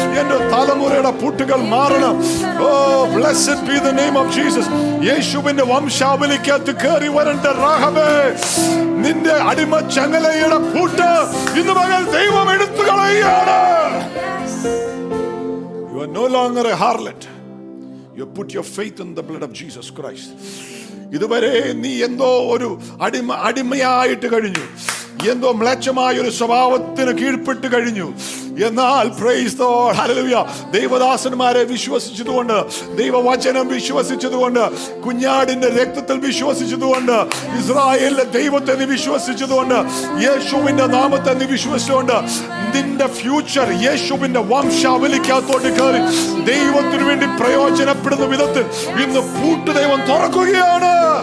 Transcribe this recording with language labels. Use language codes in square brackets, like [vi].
[ml] എന്റെ തലമുറയുടെ പൂട്ടുകൾ മാറണം. [en] blessed be the name of Jesus. [ml] യേശുവിന്റെ വംശാവലിക്കകത്ത് കയറി വരണ്ട റാഹബേ, നിന്റെ അടിമ ചങ്ങലയുടെ പൂട്ട് ഇന്ന് മകൾ ദൈവം എടുത്തു കളയുകയാണ്. [en] You are no longer a harlot. You put your faith in the blood of Jesus Christ. [ml] ഇതുവരെ നീ എന്തോ ഒരു അടിമയായിട്ട് കഴിഞ്ഞു, എന്തോ മ്ലേച്ഛമായ ഒരു സ്വഭാവത്തിന് കീഴ്പ്പെട്ട് കഴിഞ്ഞു. എന്നാൽ [en] praise the lord, [ml] ഹല്ലേലൂയാ, ദൈവദാസന്മാരെ വിശ്വസിച്ചതുകൊണ്ട്, ദൈവവചനം വിശ്വസിച്ചതുകൊണ്ട്, കുഞ്ഞാടിന്റെ രക്തത്തിൽ വിശ്വസിച്ചതുകൊണ്ട്, ഇസ്രായേലിലെ ദൈവത്തെ നീ വിശ്വസിച്ചതുകൊണ്ട്, യേശുവിന്റെ നാമത്തെ നീ വിശ്വസിച്ചുകൊണ്ട്, നിന്റെ ഫ്യൂച്ചർ യേശുവിന്റെ വംശാവലിക്കകത്തോട്ട് കയറി ദൈവത്തിനു വേണ്ടി പ്രയോജനപ്പെടുന്ന വിധത്തിൽ ഇന്ന് പൂട്ട് ദൈവം തുറക്കുകയാണ്.